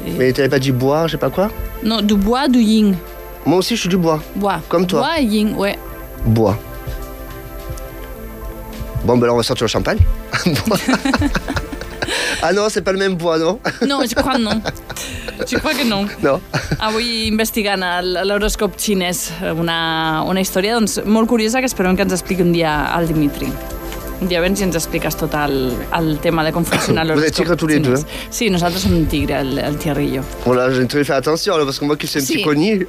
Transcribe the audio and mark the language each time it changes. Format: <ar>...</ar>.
<fr>Mais t'avais pas dit bois, je sais pas quoi. Non, du bois, du ying. Moi aussi je suis du bois. Bois. Comme toi. Bois et ying, ouais. Bois. Bon, ben alors on va sortir le champagne. Ah non, c'est pas le même bois, non? Non, je crois non. Je crois que non. Non.</fr> <ca>Avui investigant l'horòscop xinès, una història doncs, molt curiosa que esperem que ens expliqui un dia el Dimitri. Un dia vens i ens expliques tot el tema de com funciona l'horòscop xinès.</ca> <fr>Vous êtes tigre tous les deux?</fr> <ca>Sí, nosaltres som un tigre, el Thierry i jo.</ca> <fr>Voilà, j'ai intenté faire attention, parce que moi qui suis un petit conill.</fr>